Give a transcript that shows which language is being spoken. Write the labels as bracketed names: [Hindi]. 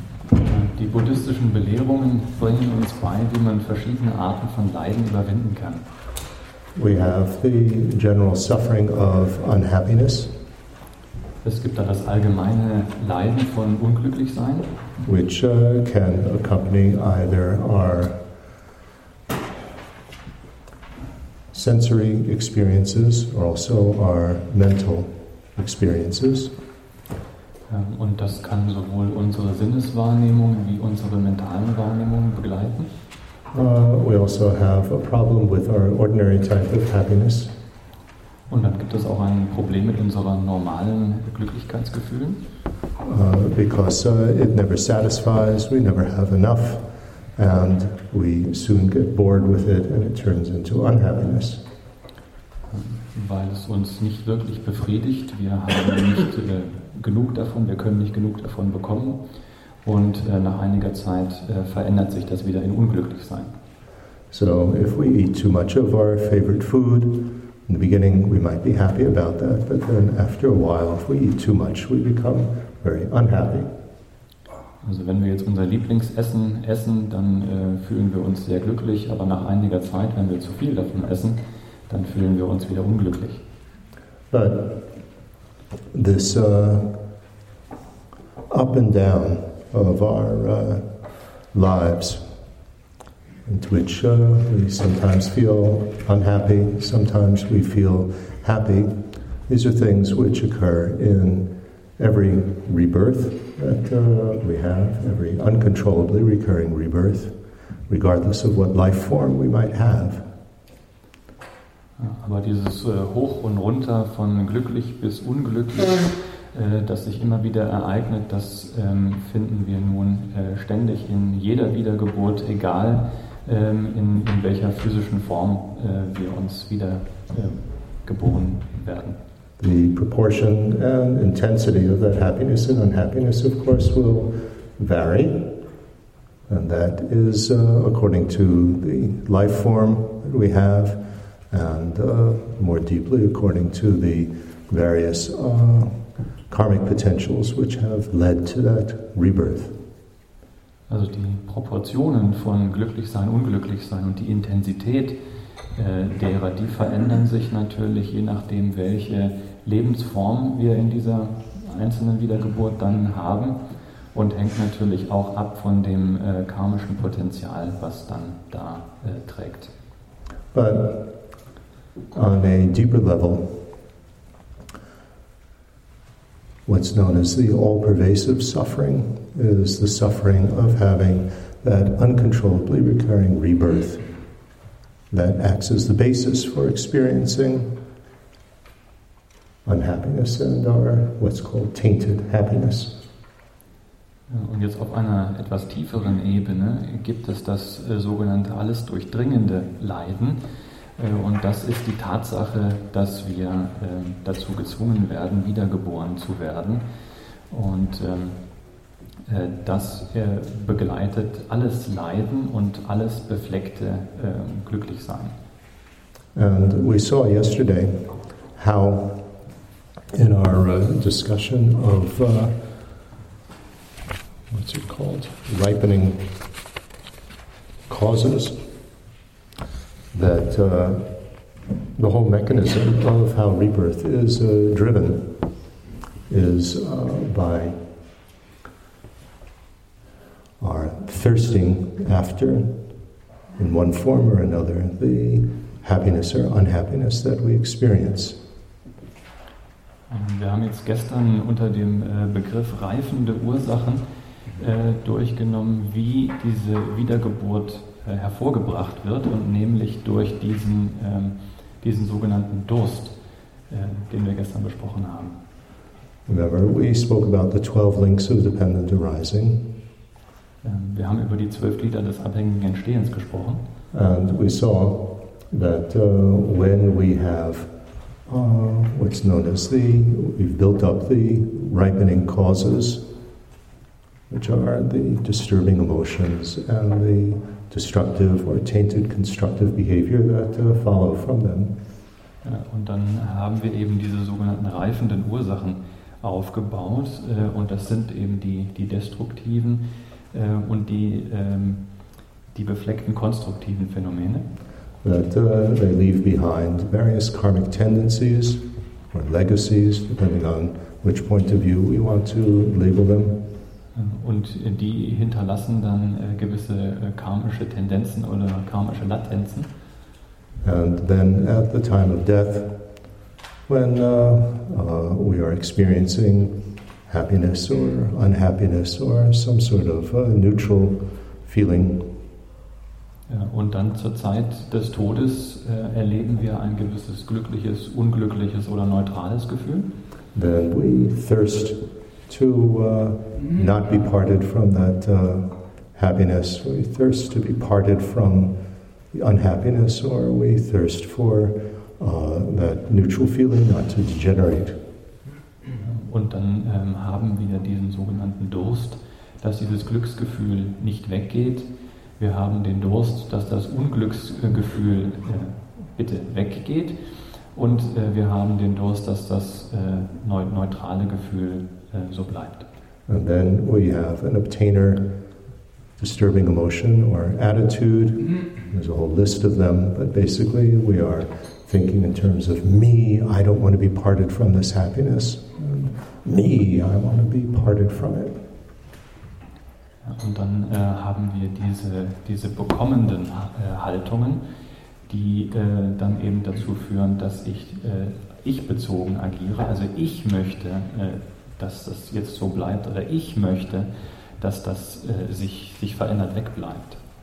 [German] Die buddhistischen Belehrungen bringen uns bei, wie man verschiedene Arten von Leiden überwinden kann. [English] We have the general suffering of unhappiness. [German] Es gibt da das allgemeine Leiden von Unglücklichsein, [English] which can accompany either our sensory experiences or also our mental experiences. [German] Und das kann sowohl unsere Sinneswahrnehmung wie unsere mentalen Wahrnehmungen begleiten. [English] We also have a problem with our ordinary type of happiness. [German] Und dann gibt es auch ein Problem mit unseren normalen Glücklichkeitsgefühlen. [English] Because it never satisfies, we never have enough, and we soon get bored with it and it turns into unhappiness. [German] Weil es uns nicht wirklich befriedigt, wir haben nicht genug davon, wir können nicht genug davon bekommen. Und nach einiger Zeit verändert sich das wieder in Unglücklichsein. [English] So, if we eat too much of our favorite food, in the beginning we might be happy about that, but then after a while, if we eat too much, we become very unhappy. [German] Also wenn wir jetzt unser Lieblingsessen essen, dann fühlen wir uns sehr glücklich, aber nach einiger Zeit, wenn wir zu viel davon essen, dann fühlen wir uns wieder unglücklich. [English] But this up and down of our lives, into which we sometimes feel unhappy, sometimes we feel happy. These are things which occur in every rebirth that we have, every uncontrollably recurring rebirth, regardless of what life form we might have. [German] Aber dieses Hoch und Runter von glücklich bis unglücklich, das sich immer wieder ereignet, das finden wir nun ständig in jeder Wiedergeburt, egal in welcher physischen Form wir uns wieder geboren werden. [English] The proportion and intensity of that happiness and unhappiness, of course, will vary. And that is according to the life form that we have, and more deeply according to the various karmic potentials which have led to that rebirth. [German] Also die Proportionen von Glücklichsein, Unglücklichsein und die Intensität derer, die verändern sich natürlich je nachdem, welche Lebensform wir in dieser einzelnen Wiedergeburt dann haben und hängt natürlich auch ab von dem karmischen Potenzial, was dann da trägt. [English] But on a deeper level, what's known as the all-pervasive suffering is the suffering of having that uncontrollably recurring rebirth that acts as the basis for experiencing unhappiness and our what's called tainted happiness. [German] Und jetzt auf einer etwas tieferen Ebene gibt es das sogenannte alles durchdringende Leiden. Und das ist die Tatsache, dass wir dazu gezwungen werden, wiedergeboren zu werden. Und das begleitet alles Leiden und alles befleckte Glücklichsein. [English] And we saw yesterday how in our discussion of what's it called? Ripening causes. That the whole mechanism of how rebirth is driven is by our thirsting after, in one form or another, the happiness or unhappiness that we experience. [German] Wir haben jetzt gestern unter dem Begriff reifende Ursachen durchgenommen, wie diese Wiedergeburt hervorgebracht wird und nämlich durch diesen sogenannten Durst, den wir gestern besprochen haben. [English] Remember, we spoke about the 12 links of dependent arising. [German] Wir haben über die 12 Glieder des abhängigen Entstehens gesprochen. [English] And we saw that when we have what's known as we've built up the ripening causes, which are the disturbing emotions and the destructive or tainted constructive behavior that follow from them. [German] Ja, und dann haben wir eben diese sogenannten reifenden Ursachen aufgebaut, und das sind eben die destruktiven und die befleckten konstruktiven Phänomene. [English] That they leave behind various karmic tendencies or legacies, depending on which point of view we want to label them. [German] Und die hinterlassen dann gewisse karmische Tendenzen oder karmische Latenzen. [English] And then at the time of death, when we are experiencing happiness or unhappiness or some sort of neutral feeling. [German] Ja, und dann zur Zeit des Todes erleben wir ein gewisses glückliches, unglückliches oder neutrales Gefühl. [English] Then we thirst to not be parted from that happiness. We thirst to be parted from the unhappiness, or we thirst for that neutral feeling, not to degenerate. [German] Und dann haben wir diesen sogenannten Durst, dass dieses Glücksgefühl nicht weggeht. Wir haben den Durst, dass das Unglücksgefühl bitte weggeht. Und wir haben den Durst, dass das neutrale Gefühl so bleibt. [English] And then we have an obtainer, disturbing emotion or attitude. There's a whole list of them, but basically we are thinking in terms of me, I don't want to be parted from this happiness. Me, I want to be parted from it. [German] Und dann haben wir diese bekommenden Haltungen, die dann eben dazu führen, dass ich ich-bezogen agiere. Also ich möchte, dass das jetzt so bleibt, oder ich möchte, dass das sich verändert, wegbleibt.